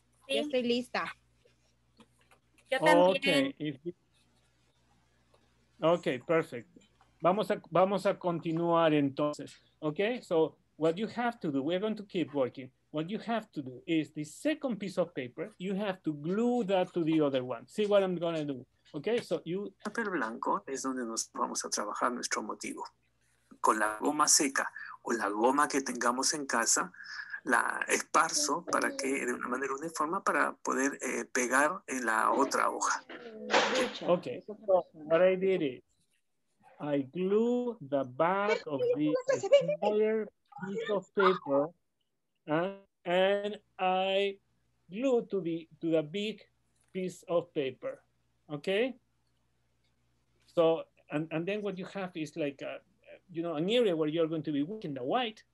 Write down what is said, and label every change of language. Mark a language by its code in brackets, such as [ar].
[en] Okay, perfect. [es] Vamos a continuar entonces. [en] Okay, so what you have to do, we're going to keep working. What you have to do is the second piece of paper, you have to glue that to the other one. See what I'm going to do. Okay, so you. [es] Papel blanco es donde nos vamos a trabajar nuestro motivo. Con la goma seca o la goma que tengamos en casa. La esparzo para que de una manera uniforme para poder pegar en la otra hoja. [en] Okay, so what I did is I glue the back of the smaller piece of paper and I glue to the big piece of paper. Okay, so and then what you have is like a, you know, an area where you're going to be working the white.